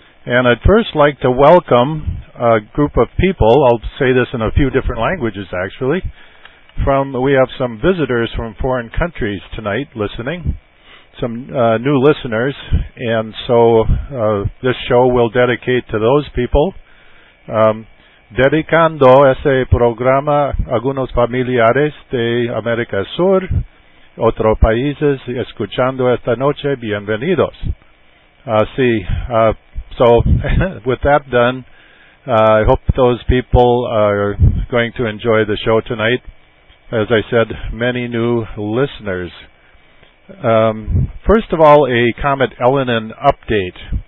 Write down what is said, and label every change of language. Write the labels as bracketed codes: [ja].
[en] And I'd first like to welcome a group of people. I'll say this in a few different languages, actually. We have some visitors from foreign countries tonight listening, some new listeners. And so this show will dedicate to those people. [es] Dedicando ese programa a algunos familiares de América Sur, otros países, escuchando esta noche, bienvenidos. [en] So with that done, I hope those people are going to enjoy the show tonight. As I said, many new listeners. First of all, a Comet Elenin update.